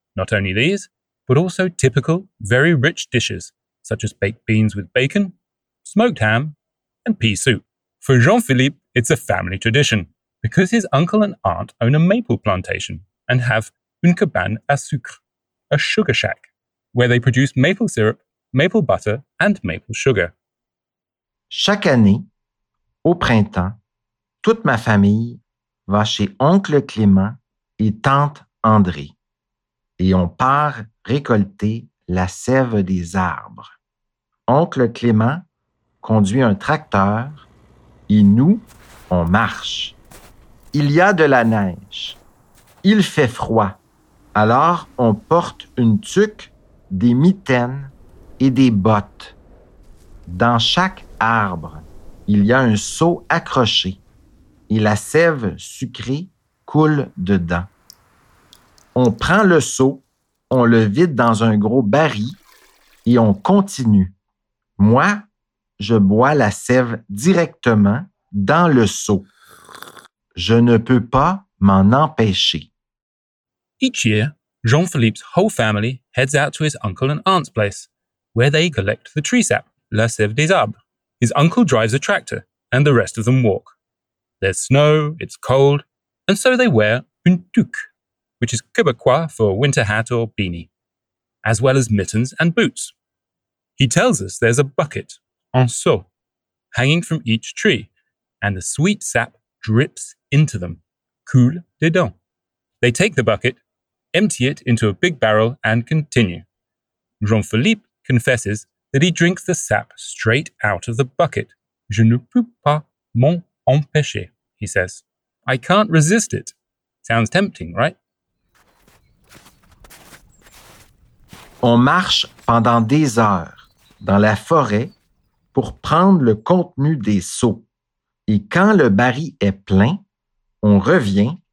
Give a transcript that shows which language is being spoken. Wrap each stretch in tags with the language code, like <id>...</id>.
<en>Not only these, but also typical, very rich dishes, such as baked beans with bacon, smoked ham, and pea soup. For Jean-Philippe, it's a family tradition, because his uncle and aunt own a maple plantation and have</en> <fr>une cabane à sucre,</fr> <en>a sugar shack, where they produce maple syrup, maple butter, and maple sugar.</en> <fr>Chaque année, au printemps, toute ma famille va chez oncle Clément et tante André, et on part récolter la sève des arbres. Oncle Clément conduit un tracteur et nous, on marche. Il y a de la neige. Il fait froid. Alors, on porte une tuque, des mitaines et des bottes. Dans chaque arbre, il y a un seau accroché et la sève sucrée coule dedans. On prend le seau, on le vide dans un gros baril et on continue. Moi, je bois la sève directement dans le seau. Je ne peux pas m'en empêcher.</fr> <en>Each year, Jean-Philippe's whole family heads out to his uncle and aunt's place, where they collect the tree sap,</en> <fr>la sève des arbres.</fr> <en>His uncle drives a tractor, and the rest of them walk. There's snow, it's cold, and so they wear</en> <fr>une toque,</fr> <en>which is Québécois for a winter hat or beanie, as well as mittens and boots. He tells us there's a bucket,</en> <fr>en seau,</fr> <en>hanging from each tree, and the sweet sap drips into them,</en> <fr>coule dedans.</fr> <en>They take the bucket, empty it into a big barrel, and continue. Jean-Philippe confesses that he drinks the sap straight out of the bucket.</en> <fr>Je ne peux pas m'en empêcher,</fr> <en>he says. I can't resist it. Sounds tempting, right?</en> <fr>On marche pendant des heures dans la forêt pour prendre le contenu des seaux. Et quand le baril est plein, on revient</fr>